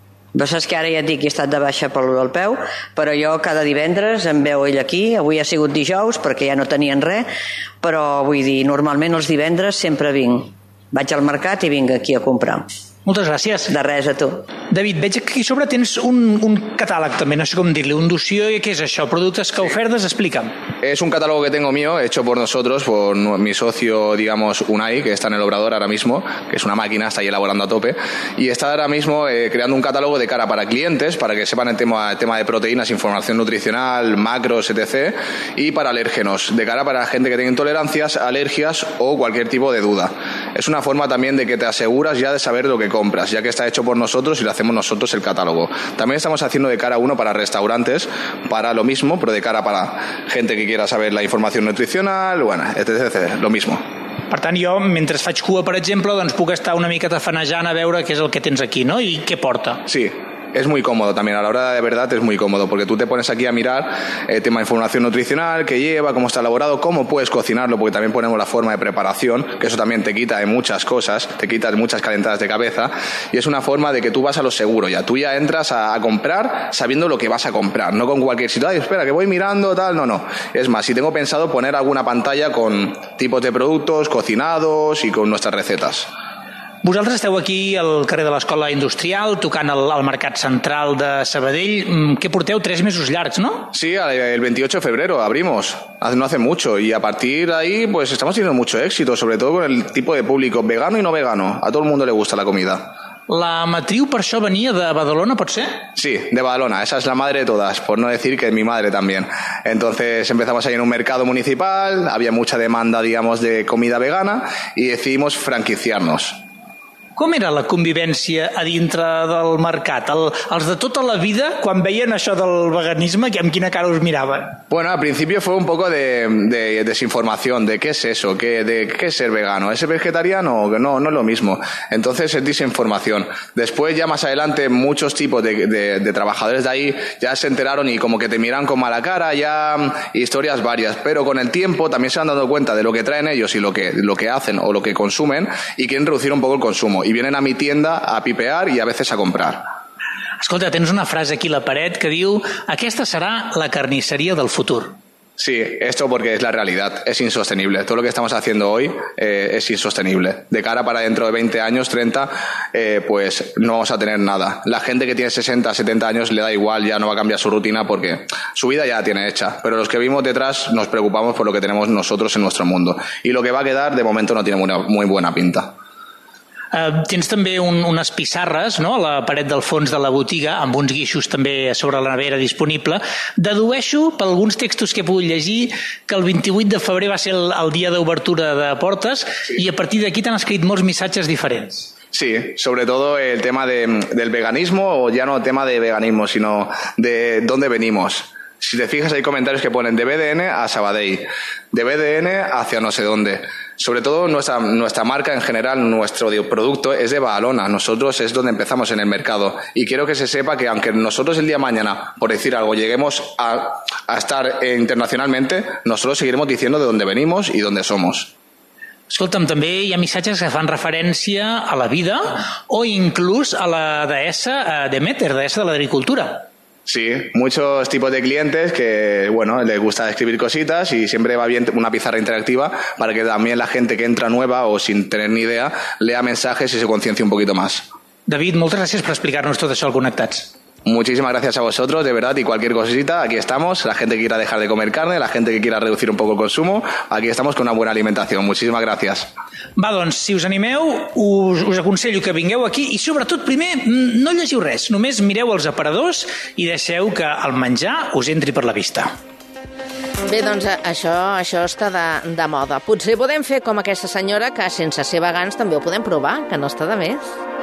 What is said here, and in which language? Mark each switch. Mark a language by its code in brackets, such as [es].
[ca] Però saps que ara ja et dic que he estat de baixa per allò del peu, però jo cada divendres em veu ell aquí, avui ha sigut dijous perquè ja no tenien res, però vull dir, normalment els divendres sempre vinc. Vaig al mercat i vinc aquí a comprar. Moltes gràcies. De res, a tu. David, veig que aquí sobre tens un catàleg també, no sé com dir-li, un dossier, què és això? Productes que ofertes, explica'm. [es] Es un catálogo que tengo mío, hecho por nosotros, por mi socio, digamos, Unai, que está en el Obrador ahora mismo, que es una máquina, está ahí elaborando a tope, y está ahora mismo creando un catálogo de cara para clientes, para que sepan el tema de proteínas, información nutricional, macros, etc., y para alérgenos, de cara para la gente que tiene intolerancias, alergias o cualquier tipo de duda. Es una forma también de que te aseguras ya de saber lo que compras, ya que está hecho por nosotros y lo hacemos nosotros el catálogo. También estamos haciendo de cara uno para restaurantes, para lo mismo, pero de cara para gente que quiera saber la información nutricional, bueno, etc., lo mismo. [ca] Per tant, jo, mentre faig cua, per exemple, doncs puc estar una mica tafanejant a veure què és el que tens aquí, no?, i què porta. [es] Sí, es muy cómodo también, a la hora de verdad es muy cómodo, porque tú te pones aquí a mirar el tema de información nutricional, qué lleva, cómo está elaborado, cómo puedes cocinarlo, porque también ponemos la forma de preparación, que eso también te quita de muchas cosas, te quitas muchas calentadas de cabeza, y es una forma de que tú vas a lo seguro ya, tú ya entras a comprar sabiendo lo que vas a comprar, no con cualquier sitio, ay, espera, que voy mirando, tal, no, no. Es más, si tengo pensado poner alguna pantalla con tipos de productos, cocinados y con nuestras recetas. [ca] Vosaltres esteu aquí al carrer de l'Escola Industrial, tocant al Mercat Central de Sabadell. Què porteu? 3 mesos llargs, no? [es] Sí, el 28 de febrero abrimos, no hace mucho, y a partir de ahí pues estamos teniendo mucho éxito, sobre todo con el tipo de público, vegano y no vegano. A todo el mundo le gusta la comida. [ca] La matriu per això venia de Badalona, pot ser? [es] Sí, de Badalona, esa es la madre de todas, por no decir que es mi madre también. Entonces empezamos ahí en un mercado municipal, había mucha demanda, digamos, de comida vegana, y decidimos franquiciarnos. Com era la convivència a dintre del mercat? Els de tota la vida, quan veien això del veganisme, amb quina cara us miraven? Bueno, al principio fue un poco de desinformación, de qué es eso, de qué es ser vegano. ¿Es vegetariano? No, no es lo mismo. Entonces es desinformación. Después, ya más adelante, muchos tipos de trabajadores de ahí ya se enteraron y como que te miran con mala cara, ya historias varias. Pero con el tiempo también se han dado cuenta de lo que traen ellos y lo que hacen o lo que consumen, y quieren reducir un poco el consumo. Y vienen a mi tienda a pipear y a veces a comprar. [ca] Escolta, tens una frase aquí a la paret que diu: aquesta serà la carnisseria del futur. [es] Sí, esto porque es la realidad, es insostenible. Todo lo que estamos haciendo hoy es insostenible. De cara para dentro de 20 años, 30, pues no vamos a tener nada. La gente que tiene 60, 70 años le da igual, ya no va a cambiar su rutina porque su vida ya la tiene hecha. Pero los que vivimos detrás nos preocupamos por lo que tenemos nosotros en nuestro mundo. Y lo que va a quedar de momento no tiene muy buena pinta. [ca] Tens també unes pissarres, no?, a la paret del fons de la botiga, amb uns guixos també sobre la nevera disponible. Dedueixo, per alguns textos que he pogut llegir, que el 28 de febrer va ser el dia d'obertura de portes, sí. I a partir d'aquí t'han escrit molts missatges diferents. [es] Sí, sobre todo el tema del veganismo, o ya no el tema de veganismo, sino de dónde venimos. Si te fijas, hay comentarios que ponen de BDN a Sabadell, de BDN hacia no sé dónde. Sobre todo nuestra marca en general, nuestro producto es de Badalona. Nosotros es donde empezamos en el mercado. Y quiero que se sepa que aunque nosotros el día de mañana, por decir algo, lleguemos a estar internacionalmente, nosotros seguiremos diciendo de dónde venimos y dónde somos. Escolta'm, també hi ha missatges que fan referència a la vida o inclús a la deessa Demeter, deessa de l'agricultura. Sí, muchos tipos de clientes que, bueno, les gusta escribir cositas, y siempre va bien una pizarra interactiva para que también la gente que entra nueva o sin tener ni idea lea mensajes y se conciencie un poquito más. [ca] David, moltes gràcies per explicar-nos tot això al Connectats. [es] Muchísimas gracias a vosotros, de verdad, y cualquier cosita, aquí estamos, la gente que quiera dejar de comer carne, la gente que quiera reducir un poco el consumo, aquí estamos con una buena alimentación. Muchísimas gracias. [ca] Va, doncs, si us animeu, us aconsello que vingueu aquí, i sobretot, primer, no llegiu res, només mireu els aparadors i deixeu que el menjar us entri per la vista. Bé, doncs això està de moda. Potser podem fer com aquesta senyora, que sense ser vegans també ho podem provar, que no està de més.